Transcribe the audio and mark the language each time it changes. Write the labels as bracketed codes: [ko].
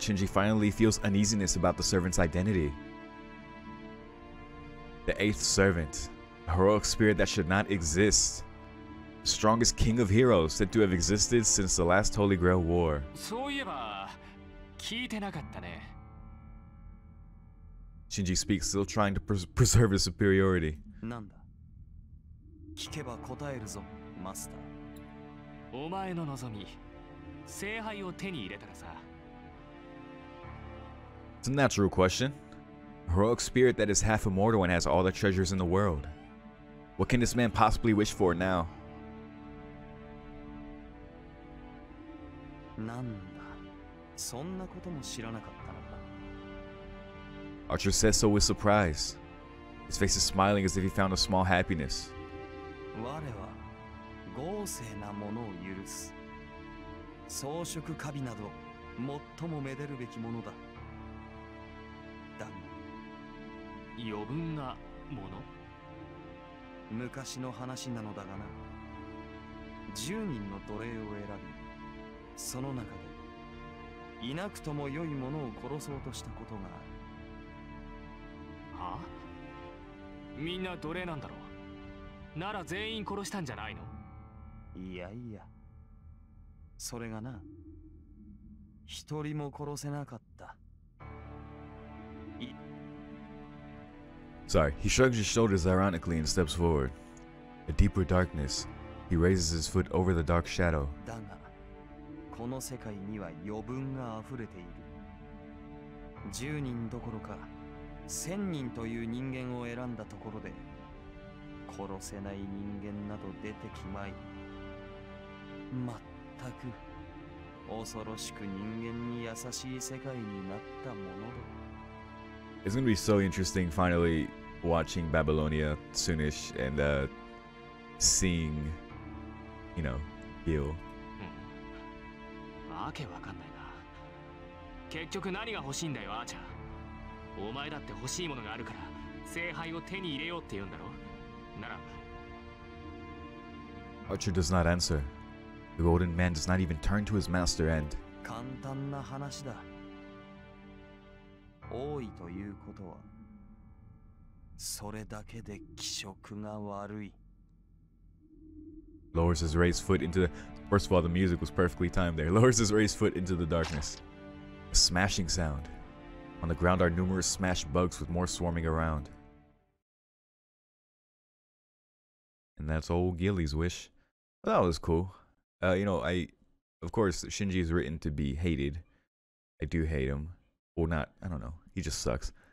[en] Shinji finally feels uneasiness about the servant's identity. The eighth servant, a heroic spirit that should not exist, the strongest king of heroes said to have existed since the last Holy Grail War. [ja] そういえば、聞いてなかったね。 [en] Shinji speaks, still trying to preserve his superiority. [ja] なんだ? 聞けば答えるぞ、マスター。お前の望み、聖杯を手に入れたらさ。 [en] It's a natural question. A heroic spirit that is half immortal and has all the treasures in the world. What can this man possibly wish for now? [ja] なんだ、そんなことも知らなかったのか。 [en] Archer says so with surprise. His face is smiling as if he found a small happiness. [ja] 我は豪勢なものを許す。装飾華美など最もめでるべきものだ。だが余分なもの。昔の話なのだがな。 10人の奴隷を選び、その中でいなくとも良いものを殺そうとしたことがある。は？みんな奴隷なんだろう。なら全員殺したんじゃないの？いやいや、それがな、一人も殺せなかった。 [en] Sorry, he shrugs his shoulders ironically and steps forward. A deeper darkness, he raises his foot over the dark shadow. [ja] だが、この世界には余分が溢れている。十人どころか、千人という人間を選んだところで、殺せない人間など出てきまい。まったく恐ろしく人間に優しい世界になったものだ。 [en] It's gonna be so interesting finally watching Babylonia soonish and seeing, you know, Gil. [ja] わけわかんないな。結局何が欲しいんだよ、アーチャー。お前だって欲しいものがあるから聖杯を手に入れようって言うんだろ。 [en] Archer does not answer. The Golden Man does not even turn to his master and... [ja] 簡単な話だ。多いということは、それだけで気色が悪い。 [en] Lowers his raised foot into the... First of all, the music was perfectly timed there. Lowers his raised foot into the darkness. A smashing sound. On the ground are numerous smashed bugs with more swarming around. And that's old Gilly's wish. Well, that was cool. Of course, Shinji is written to be hated. I do hate him. Well, not... I don't know. He just sucks.